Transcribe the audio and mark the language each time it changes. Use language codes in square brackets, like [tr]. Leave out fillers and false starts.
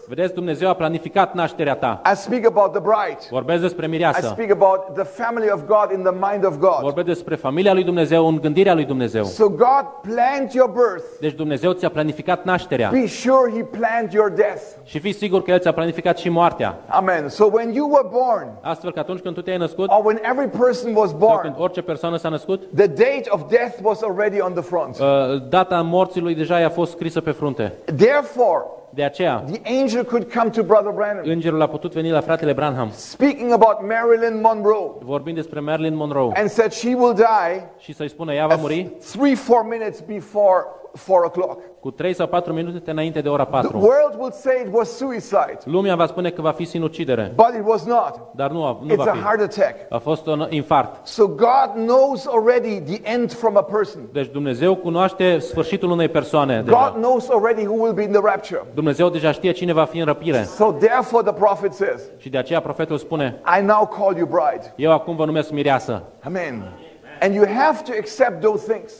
[ro] Vedeți, Dumnezeu a planificat nașterea ta. [en] I speak about the bride. [ro] Vorbesc despre mireasă. [en] I speak about the family of God in the mind of God. [ro] Vorbesc despre familia lui Dumnezeu în gândirea lui Dumnezeu. [en] So God planned your birth. [ro] Deci Dumnezeu ți-a planificat nașterea. [en] Be sure he planned your death. [ro] Și fii sigur că El ți-a planificat și moartea. [en] Amen. So when you were born, [ro] astfel că atunci când tu te-ai născut, [en] or when every person was born, [ro] sau când orice persoană s-a născut, [en] the date of death was already on the front. [ro] Data morții lui deja i-a fost scrisă pe frunte. [en] Therefore, [ro] de aceea, [en] the angel could come to Brother Branham. [ro] Îngerul a putut veni la fratele Branham. [en] Speaking about Marilyn Monroe. [ro] Vorbind despre Marilyn Monroe. [en] And said she will die. [ro] Și să-i spună, ea va muri. [en] 3-4 minutes before 4 o'clock. [ro] Cu 3 sau 4 minute înainte de ora 4. [en] The world would say it was suicide. [ro] Lumea va spune că va fi sinucidere. [en] But it was not. [ro] Dar nu, nu [en] it's [ro] va a fi. [en] Heart attack. [ro] A fost un infart. [en] So God knows already the end from a person. [ro] Deci Dumnezeu cunoaște sfârșitul unei persoane. [en] God knows already who will be in the rapture. [ro] Dumnezeu deja știe cine va fi în răpire. [en] So therefore the prophet says. [ro] Și de aceea profetul spune. [en] I now call you bride. [ro] Eu acum vă numesc mireasă. [en] Amen. And you have to accept those things.